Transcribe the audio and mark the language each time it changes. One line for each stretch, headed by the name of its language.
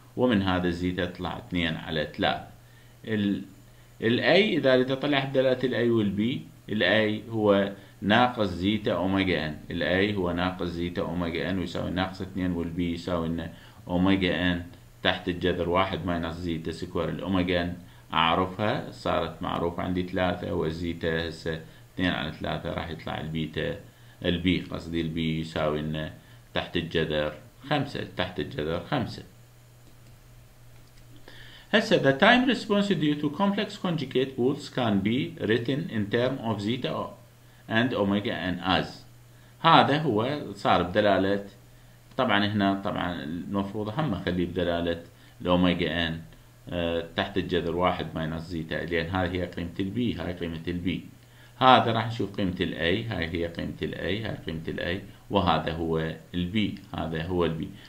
Arabic: ومن هذا الزيتا تطلع 2 على 3. الاي اذا اريد اطلع دلالة الاي والبي، الاي هو ناقص زيتا اوميجا ان، الاي هو ناقص زيتا اوميجا ان ويساوي ناقص 2، والبي يساوي ان اوميجا ان تحت الجذر 1 ماينص زيتا سكوير، الاوميجا ان اعرفها صارت معروفة عندي 3، والزيتا هسه 2 على 3 راح يطلع البيتا، البي قصدي البي يساوي ان تحت الجذر 5، تحت الجذر 5.
English: Hence, the time response due to complex conjugate rules can be written in terms of zeta and omega n as.
Arabic: هذا هو صار بدلالة، طبعا هنا طبعا المفروض هم خليه بدلالة الأوميجا n تحت الجذر 1 ماينص زيتا، لأن هذه هي قيمة ال b، هاي قيمة ال b. هذا راح نشوف قيمة ال a، هاي هي قيمة ال a، هاي قيمة ال a، وهذا هو ال b، هذا هو ال b.